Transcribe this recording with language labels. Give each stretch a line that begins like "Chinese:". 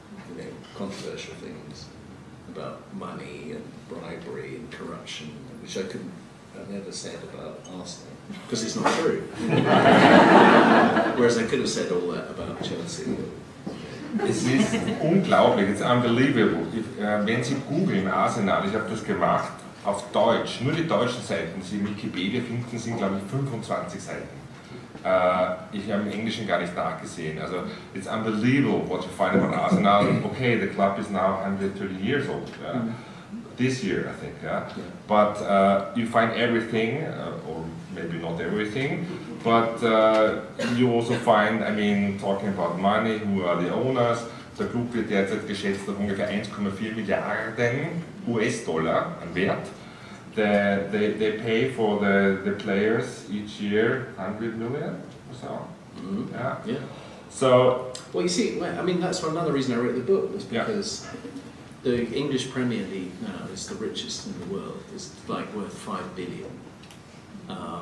English: You know, controversial things about money and bribery and corruption, which I couldn't. I've never said about Arsenal, because it's not true. Whereas I could have said all that about Chelsea or
German: Es ist unglaublich,
English: it's unbelievable.
German: Wenn Sie googeln, Arsenal, ich habe das gemacht, auf Deutsch, nur die deutschen Seiten, die Sie in Wikipedia finden, sind glaube ich 25 Seiten. Ich habe im Englischen gar nicht nachgesehen.
English: Also, it's unbelievable what you find about Arsenal. Okay, the club is now 130 years old. This year, I think. But you find everything, or maybe not everything, but you also find, I mean, talking about money, who are the owners.
German: Der Club wird derzeit geschätzt auf ungefähr 1,4 Milliarden US-Dollar an Wert.
English: They pay for the players each year 100 million or so. So, well, you see, I mean, that's another reason I wrote the book, was because the English Premier League now is the richest in the world. It's like worth 5 billion.